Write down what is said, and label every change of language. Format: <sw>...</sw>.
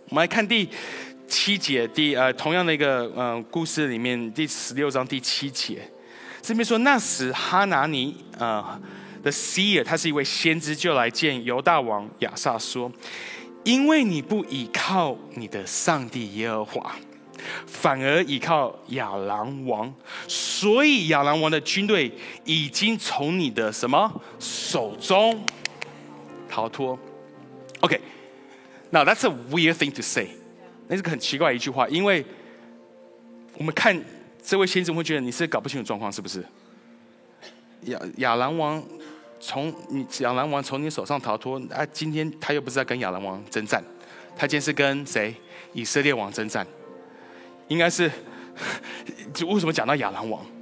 <zh>我们来看第七节，同样的一个故事里面，第十六章第七节，这边说，那时哈拿尼的西尔，他是一位先知，就来见犹大王亚撒说，因为你不倚靠你的上帝耶和华，反而倚靠亚兰王，所以亚兰王的军队已经从你的什么手中逃脱。</zh> <en>OK, now that's a weird thing to say.</en> <zh>那是个很奇怪的一句话，因为我们看这位先知会觉得你是搞不清楚状况是不是？亚兰王从你手上逃脱，今天他又不是在跟亚兰王征战，他今天是跟谁？以色列王征战，应该是为什么讲到亚兰王？</zh>